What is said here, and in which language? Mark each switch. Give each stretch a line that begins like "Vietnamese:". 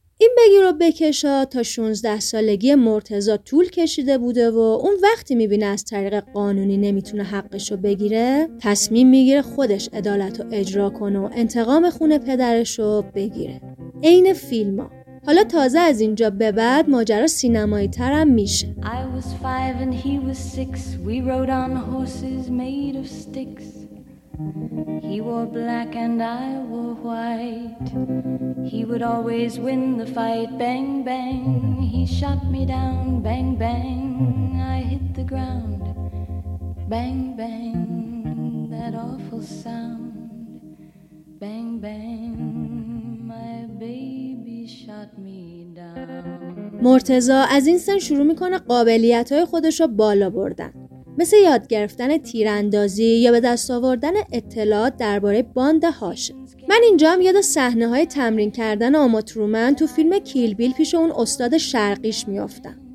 Persian: این بگیر و بکشا تا 16 سالگی مرتضی طول کشیده بوده و اون وقتی میبینه از طریق قانونی نمیتونه حقش رو بگیره، تصمیم میگیره خودش عدالت رو اجرا کنه و انتقام خون پدرش رو بگیره. عین فیلم ها. حالا تازه از اینجا به بعد ماجرا سینمایی تر هم میشه.
English: I was 5 and he was 6. We rode on horses made of sticks. He wore black and I wore white. He would always win the fight. Bang, bang, he shot me down. Bang, bang, I hit the ground. Bang, bang, that awful sound. Bang, bang, my baby shot me down.
Persian: مرتضی از این سن شروع میکنه قابلیت‌های خودش رو بالا بردن، مثل یاد گرفتن تیراندازی یا به دست آوردن اطلاعات درباره باند هاشم. من اینجا هم یاد صحنه های تمرین کردن آما ترومن تو فیلم کیل بیل پیش اون استاد شرقیش میافتم.